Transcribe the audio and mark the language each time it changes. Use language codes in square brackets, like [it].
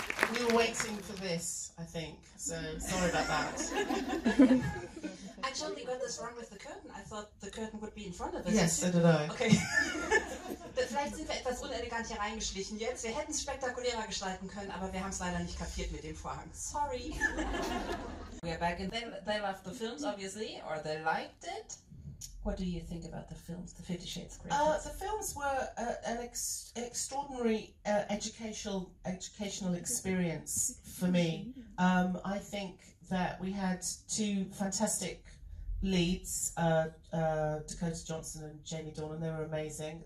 [en] We were waiting for this, I think. So, sorry about that. I totally got this wrong with the curtain. I thought the curtain would be in front of us. Yes, so did I. Okay. [de] Vielleicht sind wir etwas unelegant hier reingeschlichen jetzt. Wir hätten es spektakulärer gestalten können, aber wir haben es leider nicht kapiert mit dem Vorhang. [en] Sorry. We are back and they loved the films, obviously, or they liked it. What do you think about the films, the 50 Shades of Grey? The films were an extraordinary educational experience for me. I think that we had two fantastic leads, Dakota Johnson and Jamie Dornan. They were amazing.